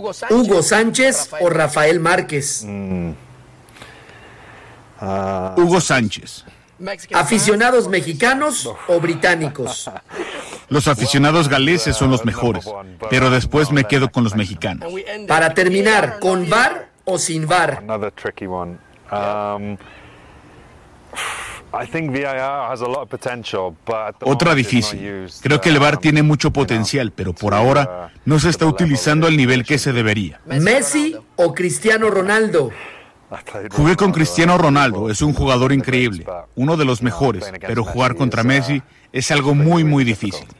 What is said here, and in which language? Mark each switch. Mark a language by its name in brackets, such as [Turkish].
[Spanish] ¿Hugo Sánchez o Rafael Márquez? Hugo Sánchez. ¿Aficionados mexicanos o británicos? Los aficionados galeses son los mejores, pero después me quedo con los mexicanos. Para terminar, ¿con VAR o sin VAR? [English] Another tricky one. I think VAR has a lot of potential, but [Spanish] otra difícil. Creo que el VAR tiene mucho potencial, pero por ahora no se está utilizando al nivel que se debería. ¿Messi o Cristiano Ronaldo? Jugué con Cristiano Ronaldo, es un jugador increíble, uno de los mejores, pero jugar contra Messi es algo muy, muy difícil.